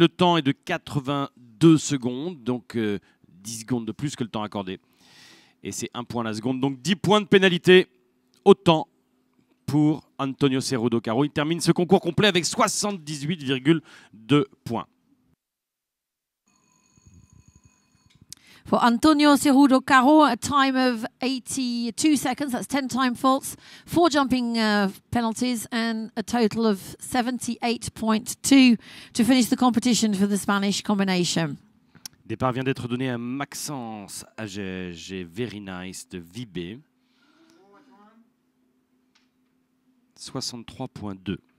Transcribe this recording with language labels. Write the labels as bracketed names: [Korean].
[French] Le temps est de 82 secondes, donc 10 secondes de plus que le temps accordé. Et c'est 1 point la seconde, donc 10 points de pénalité au temps pour Antonio Cerrudo Caro. Il termine ce concours complet avec 78,2 points. [English] For Antonio Cerrudo Caro, a time of 82 seconds, that's 10 time faults, 4 jumping penalties and a total of 78.2 to finish the competition for the Spanish combination. [French] Départ vient d'être donné à Maxence Agege et Very Nice de Vibé. 63.2.